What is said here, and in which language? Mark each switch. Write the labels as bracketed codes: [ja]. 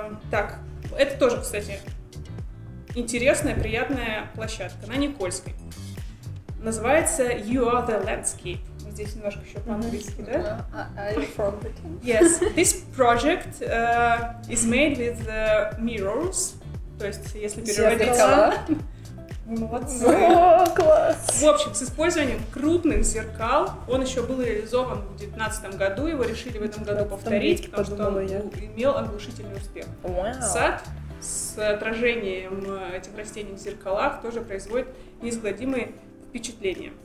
[ru] Так, это тоже, кстати, интересная, приятная площадка на Никольской. Называется You Are the Landscape. Здесь немножко еще по-английски, да? [en] Yes, this project is made with mirrors. [ru] То есть, если переводить... Зеркала. Класс! В общем, с использованием крупных зеркал. Он еще был реализован в 2019 году. Его решили в этом году повторить, потому что он имел оглушительный успех. Сад с отражением этих растений в зеркалах тоже производит неизгладимые впечатления.